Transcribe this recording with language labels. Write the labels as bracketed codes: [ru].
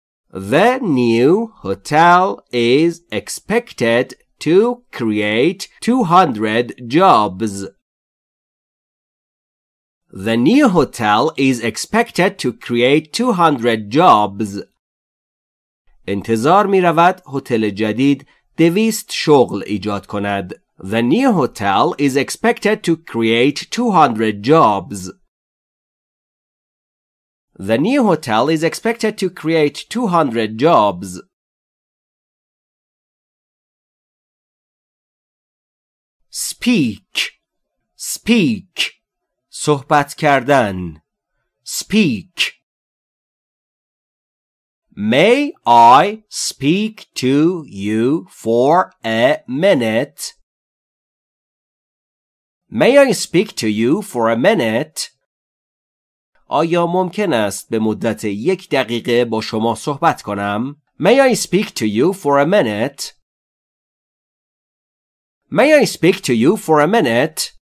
[en] The new hotel is expected to create 200 jobs. The new hotel is expected to create 200 jobs. [fa] انتظار می رود هتل جدید 200 شغل ایجاد کند. [en] The new hotel is expected to create 200 jobs. The new hotel is expected to create 200 jobs. Speak. Speak. [fa] صحبت کردن. [en] Speak. May I speak to you for a minute? May I speak to you for a minute? [fa] آیا ممکن است به مدت یک دقیقه با شما صحبت کنم؟ [en] May I speak to you for a minute? May I speak to you for a minute?